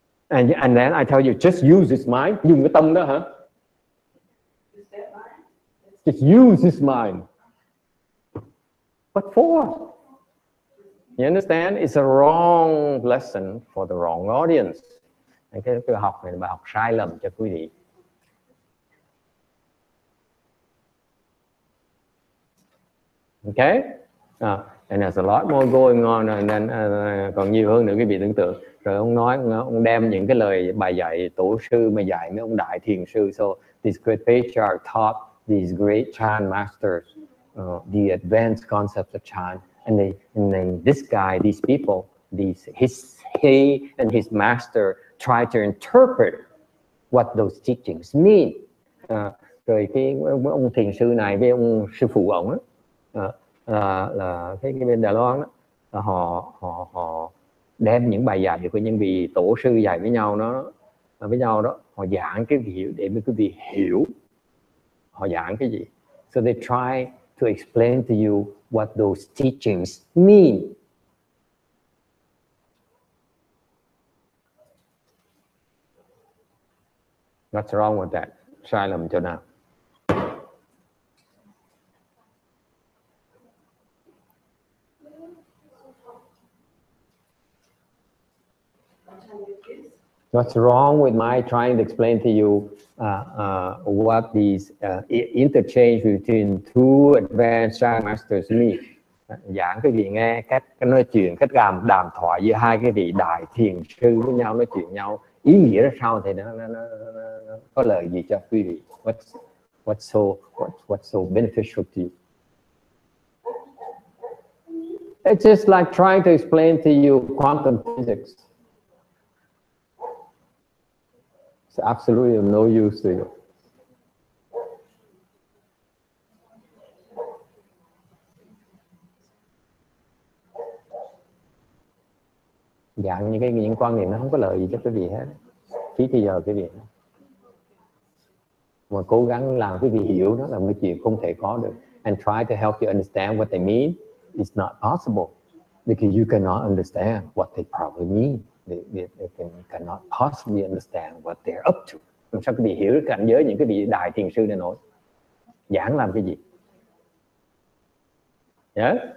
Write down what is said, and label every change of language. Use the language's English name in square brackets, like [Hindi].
[English] And then I tell you, just use this mind. [Vietnamese] Dùng cái tâm đó hả? [English] Just use this mind. What for? You understand? It's a wrong lesson for the wrong audience. [Vietnamese] Cái bài học này là bài học sai lầm cho quý vị. [English] Okay, and there's a lot more going on, and then [Vietnamese] còn nhiều hơn nữa quý vị tưởng tượng. Rồi ông nói, ông đem những cái lời bài dạy tổ sư mà dạy mấy ông đại thiền sư. [English] So this great patriarch taught these great Chan masters the advanced concepts of Chan, and then this guy, these people, he and his master try to interpret what those teachings mean. [Vietnamese] Rồi cái ông thiền sư này với ông sư phụ ông á. Là cái bên Đài Loan đó, họ đem những bài dạy của những vị tổ sư dạy với nhau đó, họ giảng cái gì để mấy quý vị hiểu, họ giảng cái gì. [English] So they try to explain to you what those teachings mean. What's wrong with that? [Vietnamese] Sai lầm chỗ nào? [English] What's wrong with my trying to explain to you what these interchange between two advanced Chan masters mean? [Vietnamese] Giảng cái gì nghe cách nói chuyện, cách làm đàm thoại giữa hai cái vị đại thiền sư với nhau nói chuyện nhau ý nghĩa là sao thì nó có lợi gì cho quý vị? [English] What's so beneficial to you? It's just like trying to explain to you quantum physics. Absolutely no use to you. [Vietnamese] Giảng những cái những quan niệm nó không có lợi gì cho quý vị hết. Phí thời giờ quý vị. Mà cố gắng làm quý vị hiểu nó là một chuyện không thể có được. [English] And try to help you understand what they mean. It's not possible because you cannot understand what they probably mean. They cannot possibly understand what they're up to. [Vietnamese] Làm sao quý vị hiểu cảnh giới những cái vị đại thiền sư này nổi? Giảng làm cái gì? [English] Yeah?